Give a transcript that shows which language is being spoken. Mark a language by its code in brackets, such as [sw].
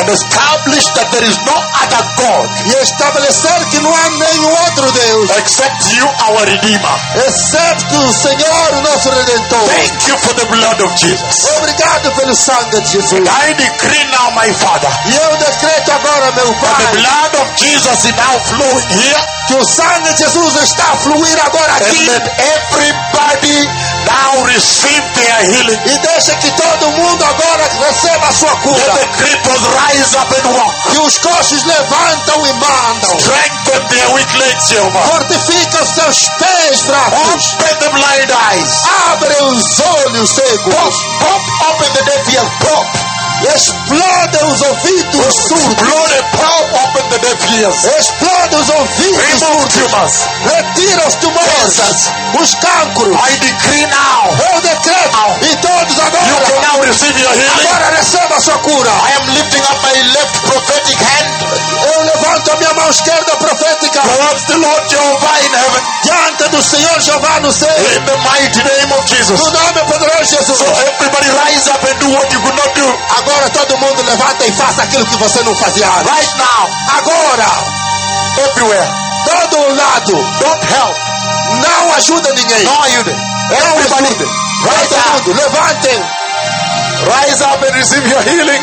[en] And establish that there is no other God. [pt] E estabelecer que não há nenhum outro Deus. [en] Except you, our Redeemer. [pt] Excepto o Senhor, nosso Redentor. [en] Thank you for the blood of Jesus. [pt] Obrigado pelo sangue de Jesus. [en] And I decree now, my Father. [pt] E eu decreto agora, meu Pai. [en] The blood of Jesus is now flowing here. [pt] Que o sangue de Jesus está a fluir agora aqui. [en] And let everybody now receive their healing. [pt] E deixa que todo mundo agora receba a sua cura. [en] Let the cripples rise up and walk. [pt] Que os coxos levantam e mandam. [en] Strengthen their weak legs, Jehovah. [pt] Fortifica os seus pés fracos. [en] Open the blind eyes. [pt] Abre os olhos cegos. [en] Pop, pop, open the deaf ears. Pop. [pt] Explode os ouvidos surdos. [en] Explode, pop, open the deaf ears. [pt] Explode os ouvidos surdos. Retira os tumores. Os cancros. [en] I decree now. [pt] Eu decreto. [en] Now. [pt] E todos agora. [en] You can now receive your healing. [pt] Agora receba a sua cura. [en] I am lifting up my left prophetic hand. [pt] Eu levanto a minha mão esquerda profética. [en] Towards the Lord Jehovah in heaven. [pt] Diante do Senhor Jeová no céu. [en] In the mighty name of Jesus. [pt] No nome poderoso de Jesus. [en] So everybody rise up and do what you could not do. [pt] Agora todo mundo levanta e faça aquilo que você não fazia. [en] Right now. [pt] Agora. [en] Everywhere. [pt] Todo lado. [en] Don't help. [pt] Não ajuda ninguém. Não ajude. [en] Everybody. [pt] Não ajude. [en] Right [pt] todo Mundo. Levante. [en] Rise up and receive your healing.